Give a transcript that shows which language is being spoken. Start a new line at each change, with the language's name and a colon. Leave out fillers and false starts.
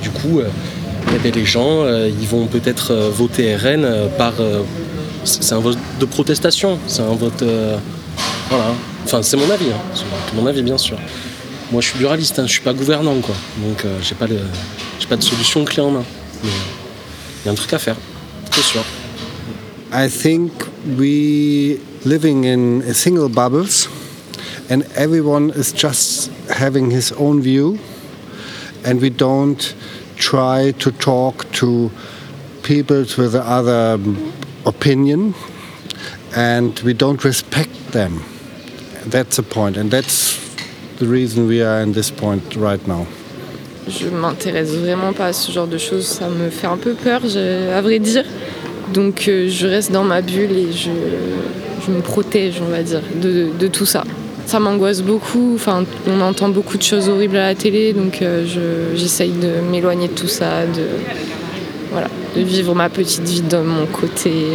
French: Et du coup, les gens, ils vont peut-être voter RN par... c'est un vote de protestation. C'est un vote... voilà. Enfin, c'est mon avis. Hein. C'est mon avis, bien sûr. Moi, je suis buraliste, hein. Je suis pas gouvernant, quoi. Donc, j'ai pas de solution clé en main. Mais... il y a un truc à faire, c'est sûr.
English: I think we living in single bubbles and everyone is just having his own view and we don't try to talk to people with other opinion and we don't respect them. That's the point and that's the reason we are in this point right now.
French: Je m'intéresse vraiment pas à ce genre de choses, ça me fait un peu peur, à vrai dire. Donc je reste dans ma bulle et je me protège, on va dire, de tout ça. Ça m'angoisse beaucoup, enfin, on entend beaucoup de choses horribles à la télé, donc j'essaye de m'éloigner de tout ça, de vivre ma petite vie de mon côté.